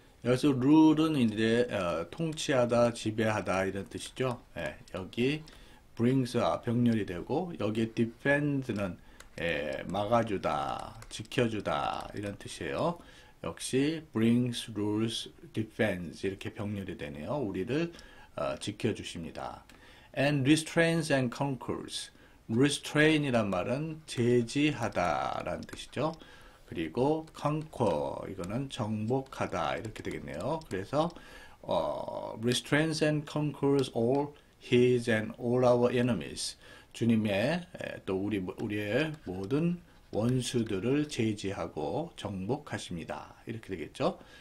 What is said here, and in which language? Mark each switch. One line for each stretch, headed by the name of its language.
Korean: 여기서 rule은 이제 통치하다, 지배하다 이런 뜻이죠. 여기 brings와 병렬이 되고 여기에 defend는 막아주다, 지켜주다 이런 뜻이에요. 역시
English: brings, rules, defends
Korean: 이렇게 병렬이 되네요. 우리를 지켜주십니다.
English: And restrains and conquers.
Korean: Restrain이란 말은 제지하다라는 뜻이죠. 그리고 conquer 이거는 정복하다 이렇게 되겠네요. 그래서
English: restrains and conquers all His and all our enemies.
Korean: 주님의 또 우리의 모든 원수들을 제지하고 정복하십니다. 이렇게 되겠죠?